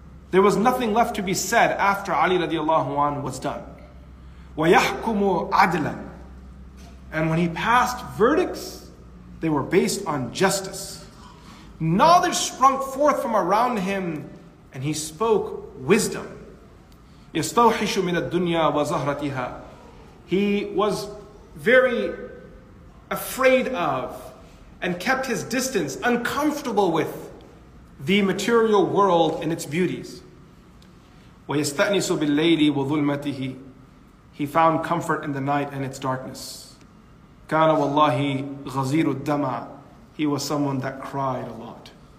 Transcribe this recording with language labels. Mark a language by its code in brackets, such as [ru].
[en] There was nothing left to be said after Ali radiallahu anhu was done. [ar] وَيَحْكُمُ عَدْلًا [en] And when he passed verdicts, they were based on justice. Knowledge sprung forth from around him, and he spoke wisdom. [ar] يَسْتَوْحِشُ مِنَ الدُّنْيَا وَزَهْرَتِهَا [en] He was very afraid of, and kept his distance, uncomfortable with the material world and its beauties. [ar] وَيَسْتَأْنِسُ بِاللَّيْلِ وَظُلْمَتِهِ [en] He found comfort in the night and its darkness. [ar] كَانَ وَاللَّهِ غَزِيرُ الدَّمَعِ [en] He was someone that cried a lot.